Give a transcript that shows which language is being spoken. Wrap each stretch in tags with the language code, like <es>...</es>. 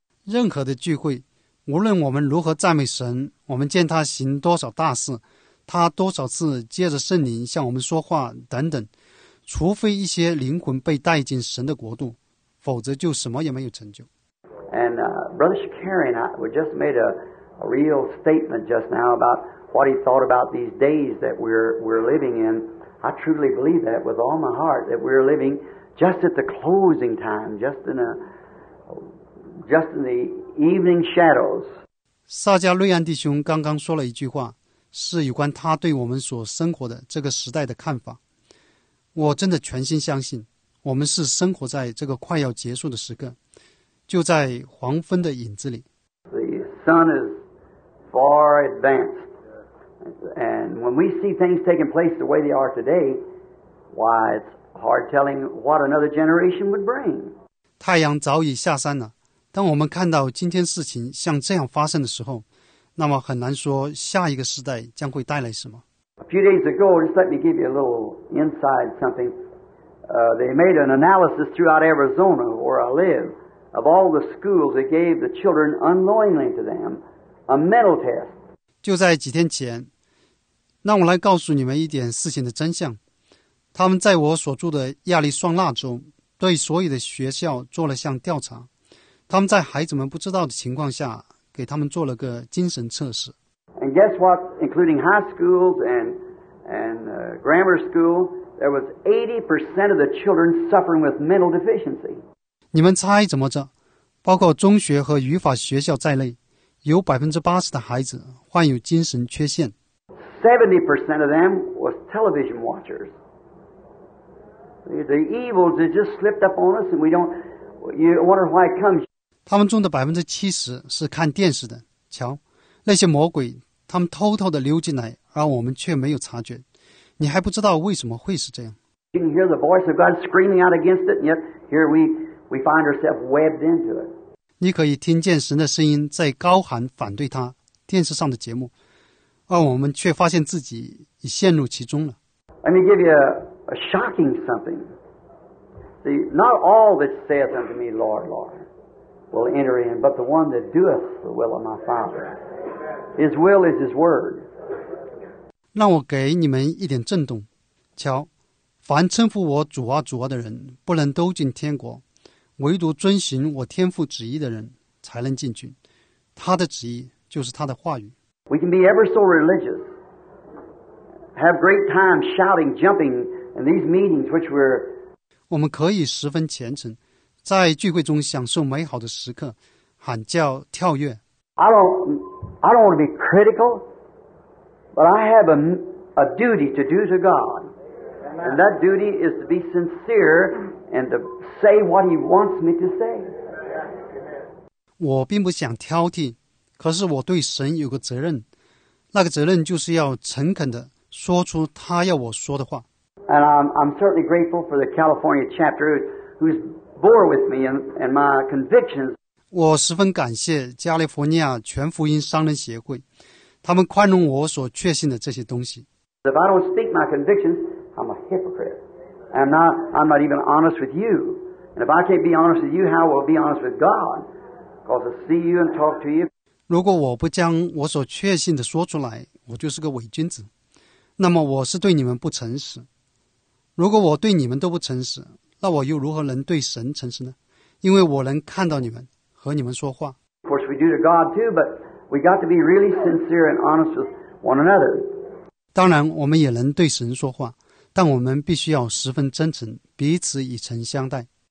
<zh>任何的聚会，无论我们如何赞美神，我们见他行多少大事，他多少次借着圣灵向我们说话等等，除非一些灵魂被带进神的国度，否则就什么也没有成就。</zh> <en>And Brother Shakarian, we just made a real statement just now about what he thought about these days that we're living in. I truly believe that with all my heart that we're living just at the closing time, just in the evening shadows.</en> <zh>萨迦瑞安弟兄刚刚说了一句话，是有关他对我们所生活的这个时代的看法。我真的全心相信，我们是生活在这个快要结束的时刻，就在黄昏的影子里。</zh> <en>The sun is far advanced. And when we see things taking place the way they are today, why, it's hard telling what another generation would bring.</en> <zh>太阳早已下山了，当我们看到今天事情像这样发生的时候，那么很难说下一个时代将会带来什么。</zh> <en>A few days ago, just let me give you a little inside something. They made an analysis throughout Arizona, where I live, of all the schools that gave the children unknowingly to them a mental test.</en> <zh>就在几天前，让我来告诉你们一点事情的真相。他们在我所住的亚利桑那州，对所有的学校做了项调查。他们在孩子们不知道的情况下，给他们做了个精神测试。</zh> <en>And guess what? Including high schools and grammar school, there was 80% of the children suffering with mental deficiency.</en> <zh>你们猜怎么着？包括中学和语法学校在内，有80%的孩子患有精神缺陷。</zh> <en>70% of them was television watchers. The evils that just slipped up on us, and we don't. You wonder why it comes.</en> <zh>他们中的70%是看电视的。瞧，那些魔鬼，他们偷偷的溜进来，而我们却没有察觉。你还不知道为什么会是这样。</zh> <en>You can hear the voice of God screaming out against it, and yet here we find ourselves webbed into it.</en> <zh>你可以听见神的声音在高喊反对他，电视上的节目。而我们却发现自己已陷入其中了。</zh> <en>Let me give you a shocking something. See, not all that saith unto me, Lord, Lord, will enter in, but the one that doeth the will of my Father. His will is His word.</en> <zh>让我给你们一点震动。瞧，凡称呼我主啊主啊的人，不能都进天国，唯独遵行我天父旨意的人才能进去。他的旨意就是他的话语。</zh> <en>We can be ever so religious, have great time shouting, jumping in these meetings, which we're.</en> <zh>我们可以十分虔诚，在聚会中享受美好的时刻，喊叫跳跃。</zh> <en>I don't want to be critical, but I have a duty to do to God, and that duty is to be sincere and to say what He wants me to say.</en> <zh>我并不想挑剔。可是我对神有个责任，那个责任就是要诚恳地说出他要我说的话。</zh> <en>And I'm certainly grateful for the California chapter who's bore with me and my convictions.</en> <zh>我十分感谢加利福尼亚全福音商人协会，他们宽容我所确信的这些东西。</zh> <en>If I don't speak my convictions, I'm a hypocrite. I'm not even honest with you. And if I can't be honest with you, how will I be honest with God? Because I see you and talk to you.</en> <zh>如果我不将我所确信的说出来，我就是个伪君子，那么我是对你们不诚实。如果我对你们都不诚实，那我又如何能对神诚实呢？因为我能看到你们，和你们说话。</zh> <en>Of course we do to God too, but we got to be really sincere and honest with one another.</en> <zh>当然我们也能对神说话，但我们必须要十分真诚，彼此以诚相待。</zh>